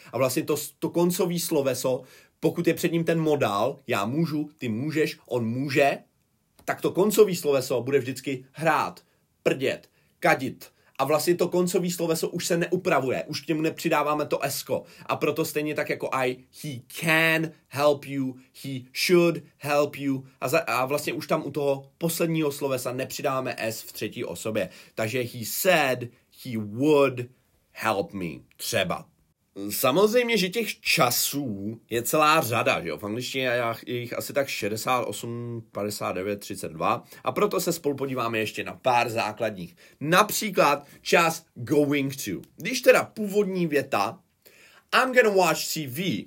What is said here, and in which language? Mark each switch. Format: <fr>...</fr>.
<cs>A vlastně to koncový sloveso, pokud je před ním ten modál, já můžu, ty můžeš, on může, tak to koncový sloveso bude vždycky hrát, prdět, kadit. A vlastně to koncový sloveso už se neupravuje, už k němu nepřidáváme to esko. A proto stejně tak jako</cs> <en>I, he can help you, he should help you.</en> <cs>A vlastně už tam u toho posledního slovesa nepřidáváme s v třetí osobě. Takže</cs> <en>he said he would help me,</en> <cs>třeba. Samozřejmě, že těch časů je celá řada, že jo? V angličtině je jich asi tak 68, 59, 32. A proto se spolu podíváme ještě na pár základních. Například čas going to. Když teda původní věta</cs> <en>I'm gonna watch TV.</en>